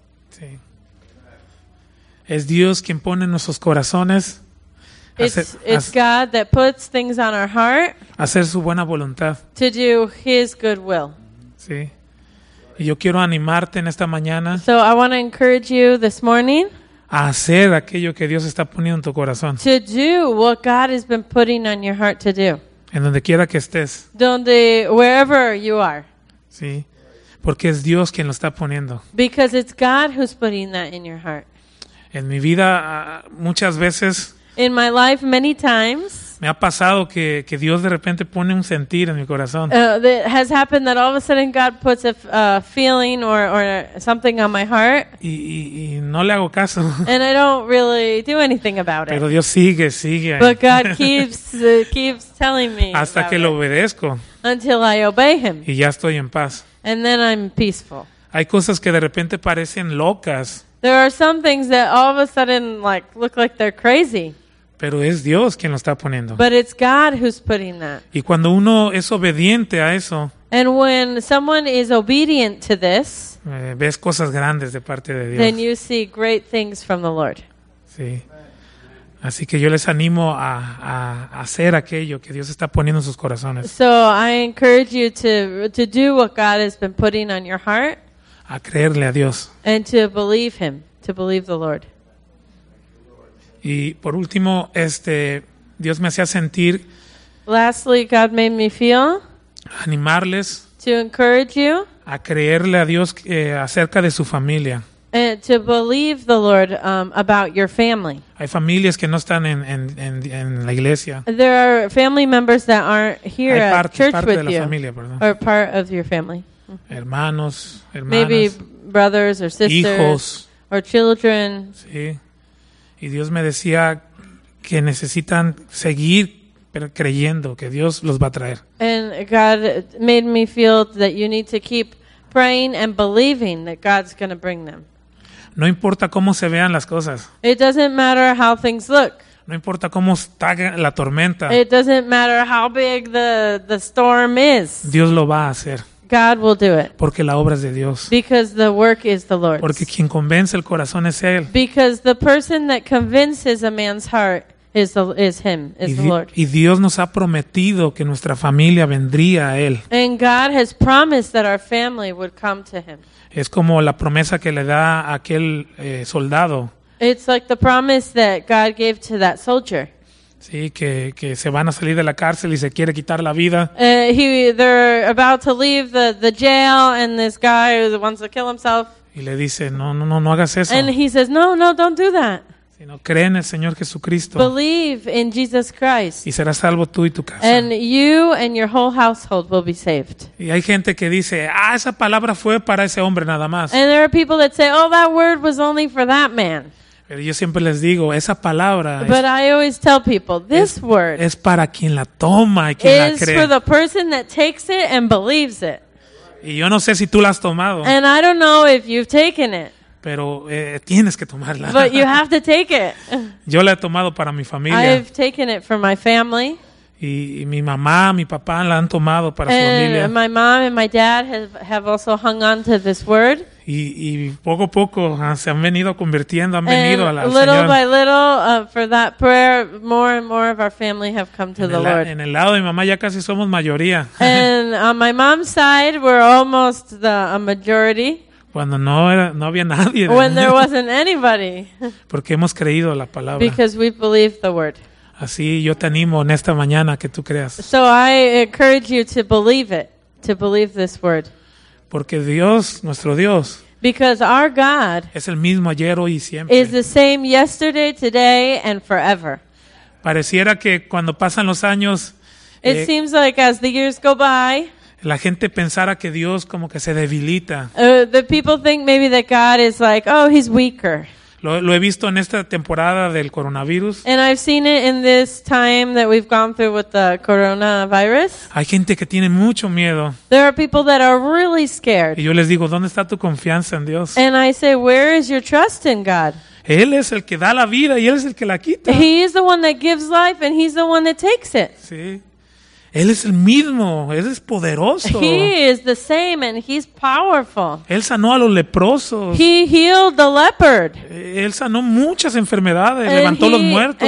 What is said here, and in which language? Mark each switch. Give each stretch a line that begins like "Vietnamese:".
Spanish: Sí. Es Dios quien pone en nuestros corazones.
English: It's God that puts things on our heart.
Spanish: Hacer su buena voluntad.
English: To do his good will.
Spanish: Sí. Y yo quiero animarte en esta mañana.
English: So I want to encourage you this morning.
Spanish: A hacer aquello que Dios está poniendo en tu corazón.
English: To do what God has been putting on your heart to do.
Spanish: En donde quiera que estés.
English: Wherever you are.
Spanish: Sí. Porque es Dios quien lo está poniendo.
English: Because it's God who's putting that in your heart.
Spanish: En mi vida muchas veces.
English: In my life many times.
Spanish: Me ha pasado que Dios de repente pone un sentir en mi corazón.
English: It has happened that all of a sudden God puts a feeling or something on my heart.
Spanish: Y no le hago caso.
English: And I don't really do anything about it.
Spanish: Pero Dios sigue.
English: But God keeps telling me.
Spanish: Hasta que lo obedezco.
English: Until I obey him.
Spanish: Y ya estoy en paz.
English: And then I'm peaceful.
Spanish: Hay cosas que de repente parecen locas.
English: There are some things that all of a sudden like look like they're crazy.
Spanish: Pero es Dios quien lo está poniendo.
English: But it's God who's putting that.
Spanish: Y cuando uno es obediente a eso.
English: And when someone is obedient to this,
Spanish: ves cosas grandes de parte de Dios.
English: Then you see great things from the Lord.
Spanish: Sí. Así que yo les animo a hacer aquello que Dios está poniendo en sus corazones.
English: So I encourage you to do what God has been putting on your heart.
Spanish: A creerle a Dios.
English: And to believe Him, to believe the Lord.
Spanish: Y por último, Dios me hacía sentir.
English: Lastly, God made me feel.
Spanish: Animarles.
English: To encourage you.
Spanish: A creerle a Dios acerca de su familia.
English: And to believe the Lord about your family.
Spanish: Hay familias que no están en la iglesia.
English: There are family members that aren't here at church with you.
Spanish: Parte de la familia, perdón.
English: Or part of your family.
Spanish: Hermanos, hermanas.
English: Maybe brothers or sisters.
Spanish: Hijos.
English: Or children.
Spanish: Sí. Y Dios me decía que necesitan seguir creyendo que Dios los va a traer.
English: And God made me feel that you need to keep praying and believing that God's going to bring them.
Spanish: No importa cómo se vean las cosas.
English: It doesn't matter how things look.
Spanish: No importa cómo está la tormenta.
English: It doesn't matter how big the storm is.
Spanish: Dios lo va a hacer.
English: God will do it.
Spanish: Porque la obra es de Dios.
English: Because the work is the Lord's.
Spanish: Porque quien convence el corazón es Él.
English: Because the person that convinces a man's heart is the Lord.
Spanish: Y Dios nos ha prometido que nuestra familia vendría a Él.
English: And God has promised that our family would come to Him.
Spanish: Es como la promesa que le da a aquel soldado.
English: It's like the promise that God gave to that soldier.
Spanish: Sí, que se van a salir de la cárcel y se quiere quitar la vida.
English: They're about to leave the jail and this guy wants to kill himself.
Spanish: Y le dice, no hagas eso.
English: And he says, no, don't do that.
Spanish: Sino cree en el Señor Jesucristo.
English: Believe in Jesus Christ.
Spanish: Y serás salvo tú y tu casa.
English: And you and your whole household will be saved.
Spanish: Y hay gente que dice, esa palabra fue para ese hombre nada más.
English: And there are people that say, that word was only for that man.
Spanish: Pero yo siempre les digo, esa palabra es para quien la toma y quien la cree.
English: Is for the person that takes it and believes it.
Spanish: Y yo no sé si tú la has tomado.
English: And I don't know if you've taken it.
Spanish: Pero tienes que tomarla.
English: But you have to take it.
Spanish: Yo la he tomado para mi familia.
English: I've taken it for my family.
Spanish: Y mi mamá, mi papá la han tomado para
English: and
Spanish: su familia.
English: My mom and my dad have also hung on to this word.
Spanish: Y poco a poco se han venido convirtiendo, han venido a la Señor.
English: Little by little, for that prayer, more and more of our family have come to the Lord.
Spanish: En el lado de mi mamá ya casi somos mayoría.
English: And on my mom's side, we're almost a majority.
Spanish: Cuando no había nadie.
English: When there wasn't anybody.
Spanish: Porque hemos creído la palabra.
English: Because we believe the word.
Spanish: Así yo te animo en esta mañana que tú creas.
English: So I encourage you to believe it, to believe this word.
Spanish: Porque Dios, nuestro Dios,
English: because our God
Spanish: es el mismo ayer, hoy y siempre.
English: Is the same yesterday, today, and forever.
Spanish: Pareciera que cuando pasan los años,
English: it seems like as the years go by,
Spanish: la gente pensara que Dios como que se debilita.
English: The people think maybe that God is like, he's weaker.
Spanish: Lo he visto en esta temporada del coronavirus.
English: And I've seen it in this time that we've gone through with the coronavirus.
Spanish: Hay gente que tiene mucho miedo.
English: There are people that are really scared.
Spanish: Y yo les digo, ¿dónde está tu confianza en Dios?
English: And I say, where is your trust in God?
Spanish: Él es el que da la vida y Él es el que la quita.
English: He is the one that gives life and He's the one that takes it.
Spanish: Sí. Él es el mismo, Él es poderoso.
English: He is the same and He's powerful.
Spanish: Él sanó a los leprosos.
English: He healed the leopard.
Spanish: Él sanó muchas enfermedades, levantó los muertos.